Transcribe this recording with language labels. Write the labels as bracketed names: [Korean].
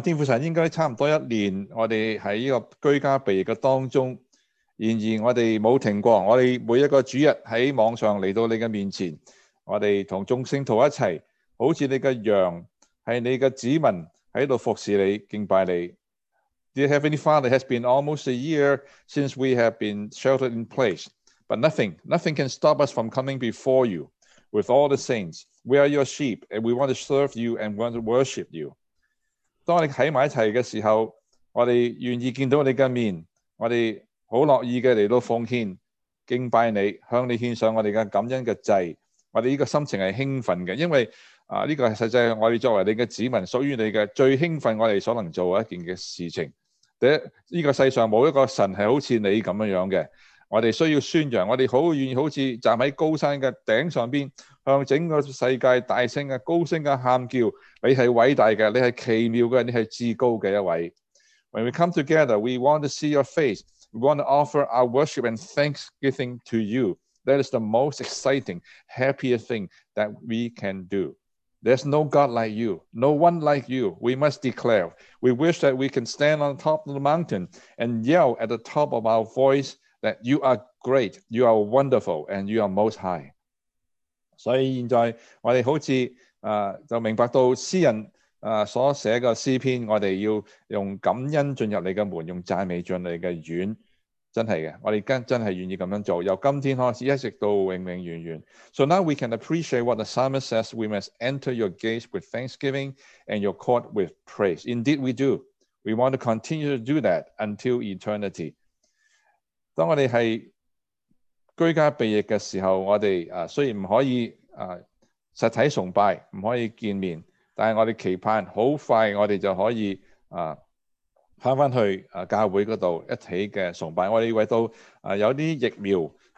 [Chinese] 天父神，应该差不多一年我们在这个居家避疫的当中，然而我们没有停过，我们每一个主日在网上来到你的面前，我们同众圣徒一起，好像你的羊是你的子民，在这里服侍你敬拜你。 [English] Dear Heavenly Father, it has been almost a year since we have been sheltered in place. But nothing can stop us from coming before you with all the saints. We are your sheep, and we want to serve you and want to worship you. [Chinese] 当我们在一起的时候，我们愿意见到你的面，我们很乐意的来到奉献，敬拜你，向你献上我们的感恩的祭。我们这个心情是兴奋的，因为这个实际上我们作为你的子民，属于你的最兴奋我们所能做的一件的事情。这个世上没有一个神是好像你这样的。我们需要宣扬，我们很愿意好像站在高山的顶上边，向整个世界大声的高声的喊叫，你是伟大的，你是奇妙的，你是至高的一位。 [English] When we come together, we want to see your face. We want to offer our worship and thanksgiving to you. That is the most exciting, happiest thing that we can do. There's no God like you, no one like you. We must declare. We wish that we can stand on top of the mountain and yell at the top of our voice,that you are great, you are wonderful, and you are most high. [Chinese] 所以现在我们好像就明白到詩人所寫的詩篇，我們要用感恩進入你的門，用讚美進入你的院，真是的，我們真的願意這樣做，由今天開始一直到永永遠遠。 [English] So now we can appreciate what the psalmist says, we must enter your gates with thanksgiving and your court with praise. Indeed we do. We want to continue to do that until eternity. [Chinese] 當我們是居家避疫的時候，我們雖然不可以實體崇拜，不可以見面，但是我们期盼很快我们就可以回去教会那里一起的崇拜。我们以为到有些疫苗